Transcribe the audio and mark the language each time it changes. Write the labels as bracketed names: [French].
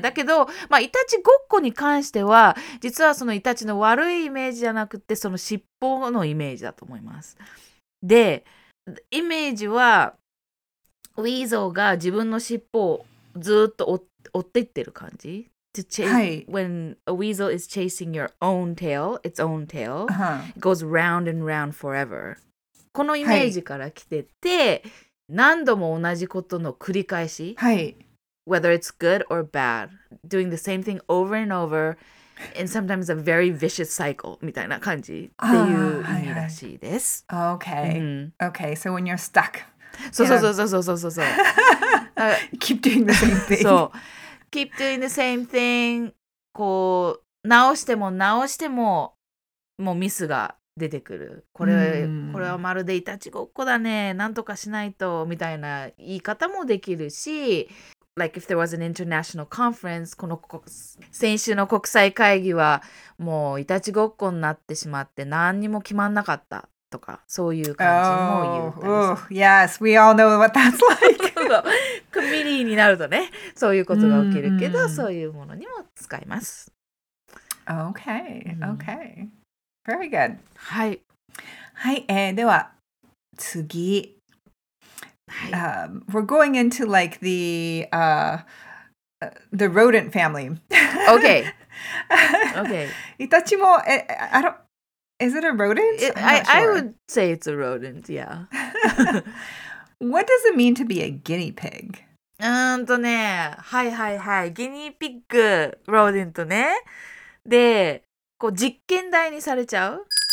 [Japanese] だけど、まあ、イタチごっこに関しては、実はそのイタチの悪いイメージじゃなくて、その尻尾のイメージだと思います。で、イメージは、ウィーゾーが自分の尻尾をずっと追っていってる感じ。 [English] to chase、はい、when a weasel is chasing your own tail, its own tail,、 uh-huh. it goes round and round forever. [Japanese] このイメージから来てて、はい、何度も同じことの繰り返し、はい、 [English] whether it's good or bad, doing the same thing over and over, and sometimes a very vicious cycle, みたいな感じっていう意味らしいです。はいはい、okay.、Mm-hmm. Okay, so when you're stuck. [Japanese] そうそうそうそうそうそうそう。 [English] keep doing the same thing. そう。Keep doing the same thing. [Japanese] こう、直しても直しても、もうミスが出てくる。これ、これはまるでいたちごっこだね。なんとかしないと、みたいな言い方もできるし、 Like if there was an international conference, この先週の国際会議はもういたちごっこになってしまって何にも決まんなかったとか、そういう感じも言ったりする。 [English] Oh, oh, yes, we all know what that's like. [Japanese] コミリーになるとね、そういうことが起きるけど、mm-hmm. そういうものにも使います。 [English] Okay, okay. Very good. [Japanese] はい。 [English] はい、では次。 We're going into like the rodent family. Okay. Okay. Itachi mo, I don't. Is it a rodent? I would say it's a rodent. Yeah. What does it mean to be a guinea pig? [Japanese] ね、はいはいはい、ギニーピッグ、ローデントね。で、こう実験台にされちゃう。